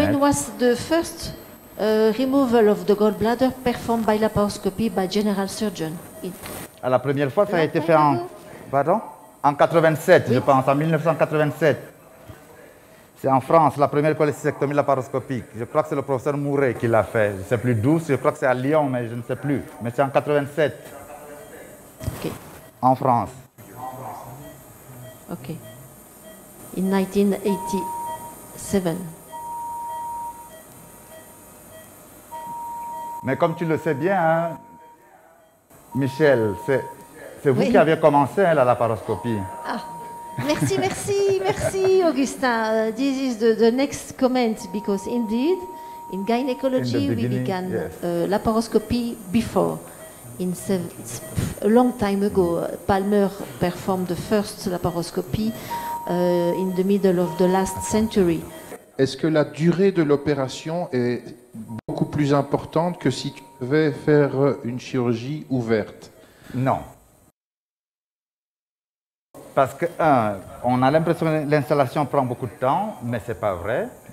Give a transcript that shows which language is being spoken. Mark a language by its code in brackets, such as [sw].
[en] When was the first removal of the gallbladder performed by laparoscopy by general surgeon? [fr] À la première fois, ça a été fait en 87, oui. Je pense, en 1987. C'est en France, la première cholecystectomie laparoscopique. Je crois que c'est le professeur Mouret qui l'a fait. Je ne sais plus d'où, je crois que c'est à Lyon, mais je ne sais plus. Mais c'est en 87. OK. En France. [en] OK. In 1987. [fr] Mais comme tu le sais bien, hein, Michel, c'est vous oui. qui avez commencé la laparoscopie. Ah, merci, Augustin. [en] This is the next comment, because indeed, in gynecology, in we began yes. Laparoscopy before, in a long time ago. Palmer performed the first laparoscopy in the middle of the last century. [fr] Est-ce que la durée de l'opération est beaucoup plus importante que si tu devais faire une chirurgie ouverte? Non. Parce que, un, on a l'impression que l'installation prend beaucoup de temps, mais ce n'est pas vrai.